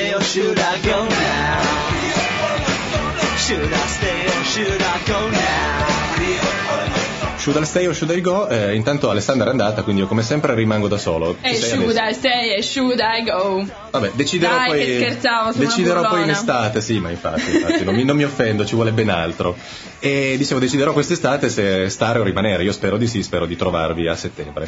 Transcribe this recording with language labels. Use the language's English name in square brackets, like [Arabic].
[English] Should I go now? Should I stay or should I go now? Should I stay or should I go? [Italian] Intanto Alessandra è andata, quindi io come sempre rimango da solo. [English] Should I stay or should I go? [Italian] Vabbè, deciderò. Dai, poi. Che scherzavo, sono deciderò una poi in estate, sì, ma infatti non mi offendo, ci vuole ben altro. E dicevo, deciderò quest'estate se stare o rimanere. Io spero di sì, spero di trovarvi a settembre.